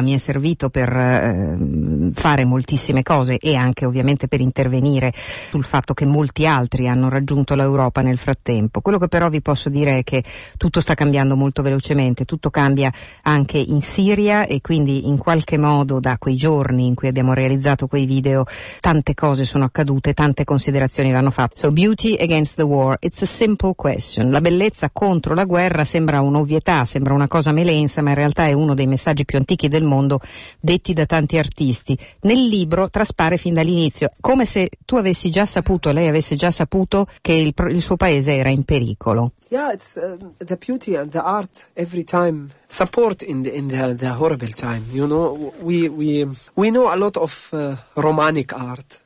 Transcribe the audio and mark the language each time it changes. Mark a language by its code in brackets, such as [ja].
[it] Mi è servito per fare moltissime cose e anche ovviamente per intervenire sul fatto che molti altri hanno raggiunto l'Europa nel frattempo. Quello che però vi posso dire è che tutto sta cambiando molto velocemente, tutto cambia anche in Siria, e quindi in qualche modo da quei giorni in cui abbiamo realizzato quei video tante cose sono accadute, tante considerazioni vanno fatte. [en] So, beauty against the war, it's a simple question. [it] La bellezza contro la guerra sembra un'ovvietà, sembra una cosa lenza, ma in realtà è uno dei messaggi più antichi del mondo detti da tanti artisti. Nel libro traspare fin dall'inizio, come se tu avessi già saputo, lei avesse già saputo che il suo paese era in pericolo. [en] Yeah, it's the beauty and the art every time support in the horrible time. You know, we know a lot of romantic art.